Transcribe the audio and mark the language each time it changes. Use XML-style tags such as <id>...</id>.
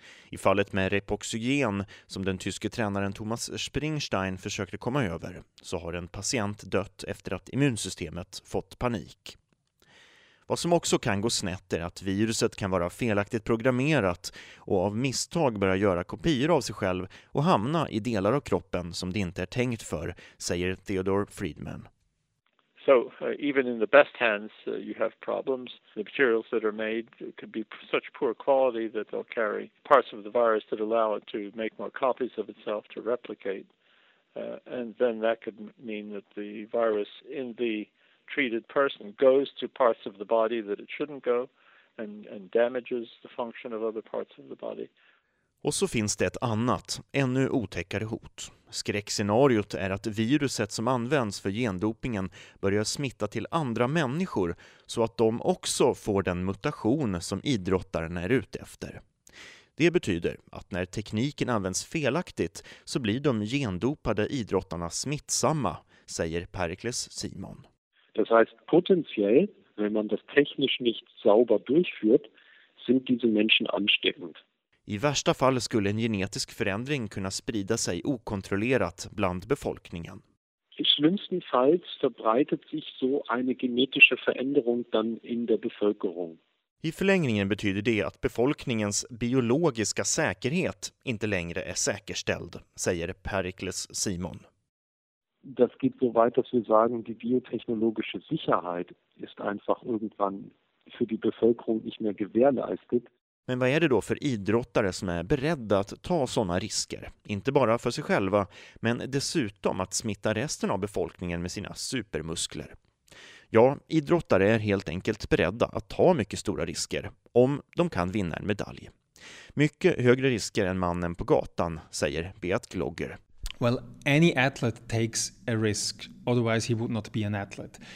<sv>I fallet med Repoxygen, som den tyske tränaren Thomas Springstein försökte komma över, så har en patient dött efter att immunsystemet fått panik. Vad som också kan gå snett är att viruset kan vara felaktigt programmerat och av misstag börja göra kopior av sig själv och hamna i delar av kroppen som det inte är tänkt för, säger Theodore Friedman.</sv> <en>So even in the best hands you have problems. The materials that are made could be such poor quality that they'll carry parts of the virus that allow it to make more copies of itself to replicate. And then that could mean that the virus in the treated person goes to parts of the body that it shouldn't go and damages the function of other parts of the body.</en> <sv>Och så finns det ett annat, ännu otäckare hot. Skräckscenariot är att viruset som används för gendopingen börjar smitta till andra människor så att de också får den mutation som idrottaren är ute efter. Det betyder att när tekniken används felaktigt så blir de gendopade idrottarna smittsamma, säger Pericles Simon.</sv> <de>Das heißt, potentiell, wenn man das technisch nicht sauber durchführt, sind diese Menschen ansteckend.</de> <sv>I värsta fall skulle en genetisk förändring kunna sprida sig okontrollerat bland befolkningen.</sv> <de>I schlimmsten Fall verbreitet sich so eine genetische Veränderung dann in der Bevölkerung.</de> <sv>I förlängningen betyder det att befolkningens biologiska säkerhet inte längre är säkerställd, säger Pericles Simon.</sv> <de>Das geht so weit, dass wir sagen, die biotechnologische Sicherheit ist einfach irgendwann für die Bevölkerung nicht mehr gewährleistet.</de> <sv>Men vad är det då för idrottare som är beredda att ta sådana risker? Inte bara för sig själva, men dessutom att smitta resten av befolkningen med sina supermuskler. Ja, idrottare är helt enkelt beredda att ta mycket stora risker om de kan vinna en medalj. Mycket högre risker än mannen på gatan, säger Beat Glogger.</sv> <en>Well, any athlete takes a risk, otherwise he would not be an athlete.</en>